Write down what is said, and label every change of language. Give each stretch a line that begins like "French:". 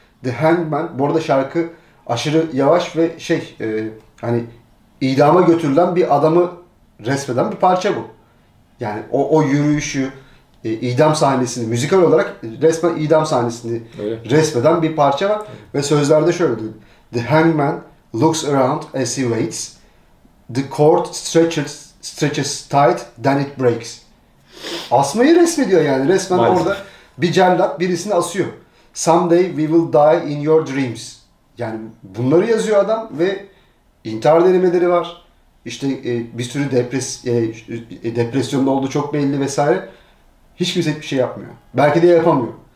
Turkish: The Hangman bu arada şarkı aşırı yavaş ve hani idama götürülen bir adamı resmeden bir parça bu. Yani o yürüyüşü idam sahnesini, müzikal olarak resmen idam sahnesini öyle resmeden bir parça var. Evet. Ve sözlerde şöyle diyor.
English: The hangman looks around as he waits. The cord stretches tight, then it breaks.
Turkish: Asmayı resmediyor yani. Resmen maalesef. Orada bir cellat birisini asıyor.
English: Someday we will die in your dreams.
Turkish: Yani bunları yazıyor adam ve intihar denemeleri var. İşte bir sürü depresyonda olduğu çok belli vesaire. Hiç kimse hiçbir şey yapmıyor. Belki de yapamıyor.